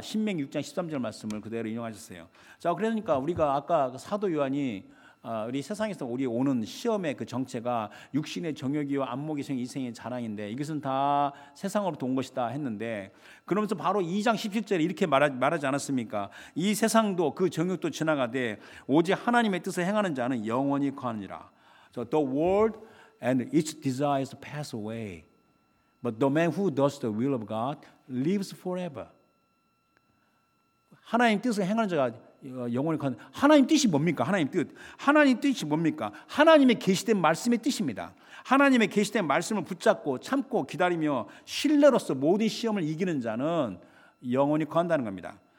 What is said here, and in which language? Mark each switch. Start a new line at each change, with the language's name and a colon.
Korean: 신명기 6장 13절 말씀을 그대로 인용하셨어요. 자, 그러니까 우리가 아까 사도 요한이 우리 세상에서 우리 오는 시험의 그 정체가 육신의 정욕이요 안목의 생 이생의 자랑인데 이것은 다 세상으로부터 온 것이다 했는데, 그러면서 바로 2장 17절에 이렇게 말하지 않았습니까? 이 세상도 그 정욕도 지나가되 오직 하나님의 뜻을 행하는 자는 영원히 거하느니라.
English: So the world and its desires pass away, but the man who does the will of God lives forever.
Korean: 하나님 뜻을 행하는 자가 영원히 가는, 하나님 뜻이 뭡니까? 하나님 뜻이 뭡니까? 하나님의 계시된 말씀의 뜻입니다. 하나님의 계시된 말씀을 붙잡고 참고 기다리며 신뢰로서 모든 시험을 이기는 자는 영원히 거한다는 겁니다.